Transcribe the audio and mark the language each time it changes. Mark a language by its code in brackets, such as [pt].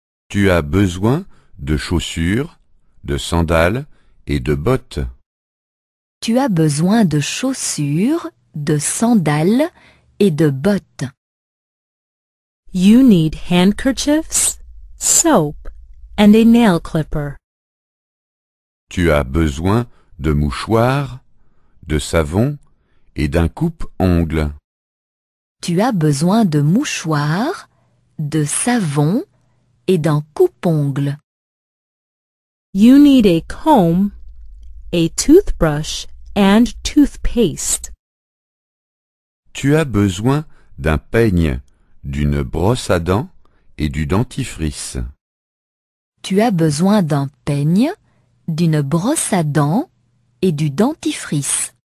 [fr] Tu as besoin de chaussures, de sandales et de bottes. Tu as besoin de chaussures, de sandales et de bottes. [en] You need handkerchiefs, soap and a nail clipper. [fr] Tu as besoin de mouchoirs, de savon et d'un coupe-ongles. Tu as besoin de mouchoirs, de savon et d'un coupe-ongles. [en] You need a comb, a toothbrush and toothpaste. [fr] Tu as besoin d'un peigne, d'une brosse à dents et du dentifrice. Tu as besoin d'un peigne, d'une brosse à dents et du dentifrice.